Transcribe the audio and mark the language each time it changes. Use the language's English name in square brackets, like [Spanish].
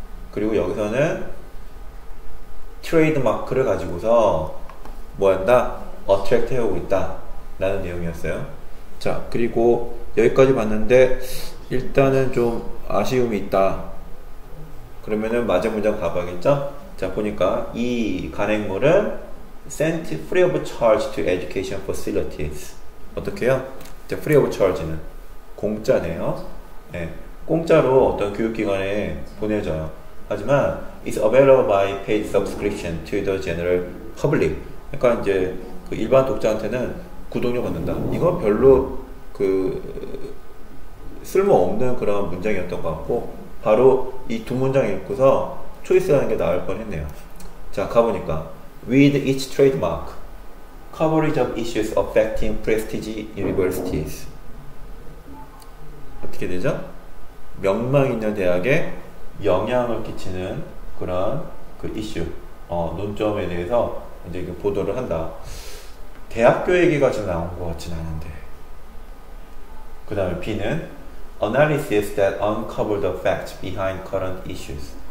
[Korean] 그리고 여기서는 트레이드마크를 가지고서 뭐 한다? Attract 해오고 있다. 라는 내용이었어요. 자, 그리고 여기까지 봤는데, 일단은 좀 아쉬움이 있다. 그러면은 마지막 문장 가봐야겠죠? 자, 보니까 이 간행물은 [English] sent free of charge to education facilities. [Korean] 어떻게요? 자, free of charge는 공짜네요. 예. 공짜로 어떤 교육기관에 보내져요. [English] 하지만 it's available by paid subscription to the general public. [Korean] 약간 이제 그 일반 독자한테는 구독료 받는다. 이건 별로 그 쓸모없는 그런 문장이었던 것 같고, 바로 이두 문장 읽고서 초이스라는 게 나을 뻔했네요. 자, 가보니까 [English] with each trademark, coverage of issues affecting prestige universities. [Korean] 어떻게 되죠? 명망 있는 대학에 영향을 끼치는 그런 그 이슈, 논점에 대해서 이제 보도를 한다. 대학교 얘기가 지금 나온 것 같진 않은데. 그 다음에 B는 [English] analysis that uncover the facts behind current issues.